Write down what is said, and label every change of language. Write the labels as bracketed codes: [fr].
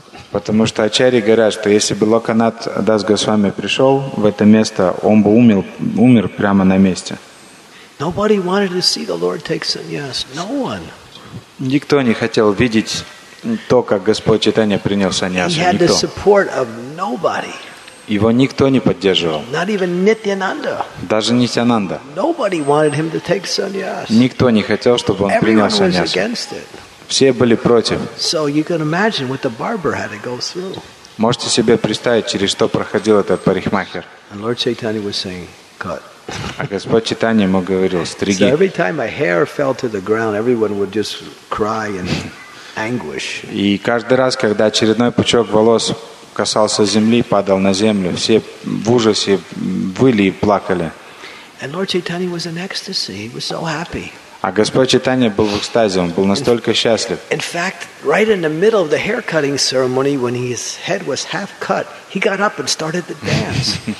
[ru] Потому что ачарьи говорят, что если бы Локанат Дас Госвами пришел в это место, он бы умер прямо на месте. [en] Nobody wanted to see the Lord take sannyas. No one. [ru] Никто не хотел видеть то, как Господь Чайтанья принял саньясу. [en] He had the support of nobody. [ru] Его никто не поддерживал. [en] Not even Nityananda. [ru] Даже Нитянанда. [en] Nobody wanted him to take sannyas. [ru] Никто не хотел, чтобы он принял саньясу. [en] Everyone was against it. [ru] Все были против. [en] So you can imagine what the barber had to go through. [ru] Можете себе представить, через что проходил этот парикмахер. [en] And Lord Chaitanya was saying, "Cut." [ru] А Господь Чайтанья ему говорил, стриги. [en] So every time my hair fell to the ground, everyone would just cry in anguish. [ru] И каждый раз, когда очередной пучок волос касался земли, падал на землю, все в ужасе выли и плакали. [en] And Lord Chaitanya was in ecstasy. He was so happy. [ru] А Господь Чайтанья был в экстазе, он был настолько счастлив. [en] In fact, right in the middle of the haircutting ceremony, when his head was half cut, he got up and started to dance.